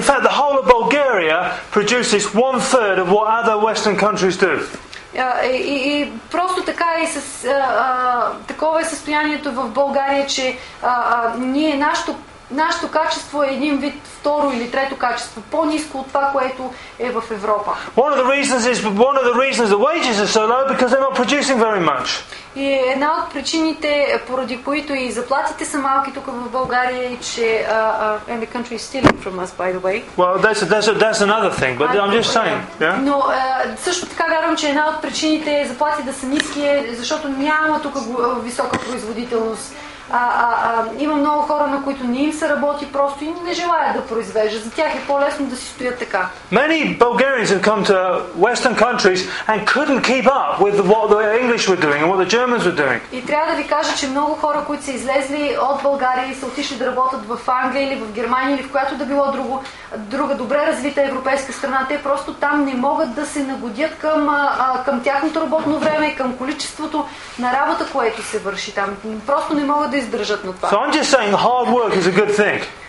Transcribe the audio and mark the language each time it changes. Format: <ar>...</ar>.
<en>In fact, the whole of Bulgaria produces one third of what other Western countries do.</en> <bg>И просто така и с такова е състоянието в България, че ние нашето Нашето качество е един вид второ или трето качество, по-ниско от това, което е в Европа.</bg> <en>One of the reasons is one of the reasons the wages are so low because they're not producing very much.</en> <bg>И една от причините, поради които и заплатите са малки тук в България, е че</bg> <en>and the country is stealing from us, by the way. Well, that's another thing, but I'm just saying. Yeah.</en> <bg>Но също така вярвам, че една от причините заплатите да са ниски е защото няма тук висока производителност. Има много хора, на които не им се работи просто и не желаят да произвеждат. За тях е по-лесно да си стоят така.</bg> <en>Many Bulgarians have come to Western countries and couldn't keep up with what the English were doing and what the Germans were doing.</en> <bg>И трябва да ви кажа, че много хора, които са излезли от България и са отишли да работят в Англия или в Германия или в която да било друга добре развита европейска страна, те просто там не могат да се нагодят към тяхното работно време, към количеството на работа, което се върши там. Просто не могат да издържат на това.</bg> <en>So I'm just saying hard work is a good thing.</en>